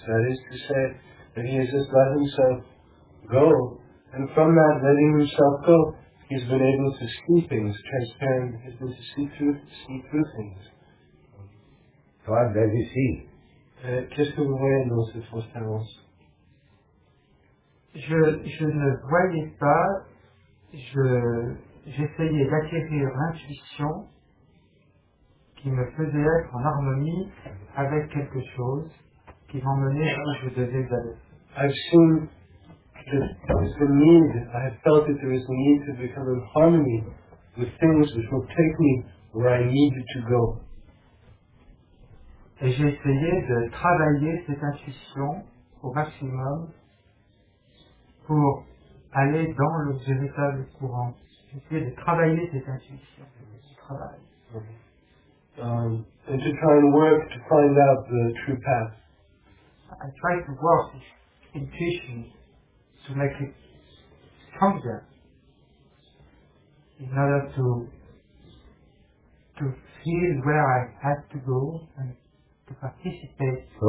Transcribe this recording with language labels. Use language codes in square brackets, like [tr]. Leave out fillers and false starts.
[en] That is to say, that he has just let himself go, and from that letting himself go, he's been able to see things, transparent, he's been able to see through things. What does he see? [fr] Qu'est-ce que vous voyez dans cette fausse tendance? Je ne voyais pas, j'essayais d'acquérir l'intuition qui me faisait être en harmonie avec quelque chose qui m'emmenait là où je devais aller. [en] I have felt that there is a need to become in harmony with things which will take me where I need to go. [fr] Et j'ai essayé de travailler cette intuition au maximum pour aller dans le véritable courant. J'ai essayé de travailler cette intuition. Je travaille. [en] And to try and work to find out the true path. I try to work this intuition to make it stronger in order to feel where I have to go and to participate.